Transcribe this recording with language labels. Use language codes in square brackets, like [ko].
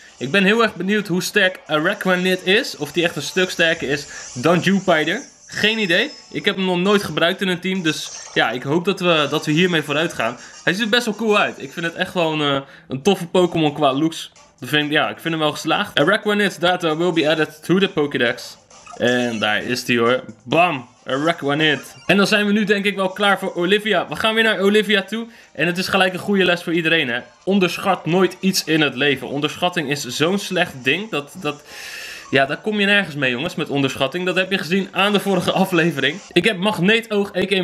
[nl] Ik ben heel erg benieuwd hoe sterk Araquanid is. Of die echt een stuk sterker is dan Jupiter. Geen idee. Ik heb hem nog nooit gebruikt in een team. Dus ja, ik hoop dat we hiermee vooruit gaan. Hij ziet er best wel cool uit. Ik vind het echt wel een toffe Pokémon qua looks. Ik vind hem wel geslaagd. [en] Araquanid's data will be added to the Pokédex. [nl] En daar is hij hoor. Bam! Araquanid. En dan zijn we nu denk ik wel klaar voor Olivia. We gaan weer naar Olivia toe. En het is gelijk een goede les voor iedereen, hè. Onderschat nooit iets in het leven. Onderschatting is zo'n slecht ding dat... Ja, daar kom je nergens mee jongens, met onderschatting. Dat heb je gezien aan de vorige aflevering. Ik heb Magneetoog, a.k.a.